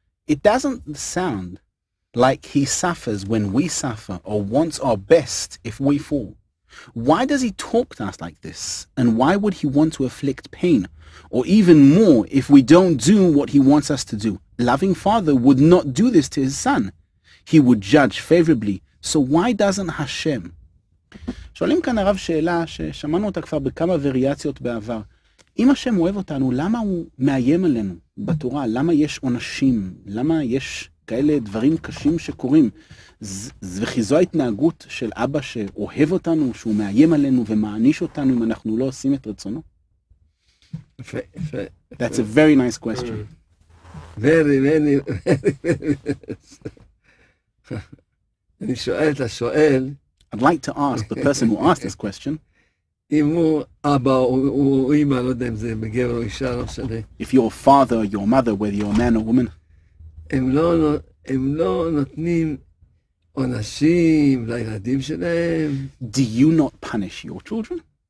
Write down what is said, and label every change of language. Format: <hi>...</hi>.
<en>It doesn't sound like he suffers when we suffer or wants our best if we fall. Why does he talk to us like this? And why would he want to inflict pain or even more if we don't do what he wants us to do? Loving father would not do this to his son. He would judge favorably. So why doesn't Hashem?</en> <he>שואלים כאן הרב שאלה ששמענו אותה כבר בכמה וריאציות בעבר. אם השם אוהב אותנו, למה הוא מאיים עלינו בתורה? למה יש עונשים? למה יש כאלה דברים קשים שקורים? וכי זו ההתנהגות של אבא שאוהב אותנו, שהוא מאיים עלינו ומעניש אותנו אם אנחנו לא עושים את רצונו?</he> <en>That's a very nice question. I'd like to ask the person who asked this question. If your father or your mother, whether you're a man or woman, do you not punish your children?</en>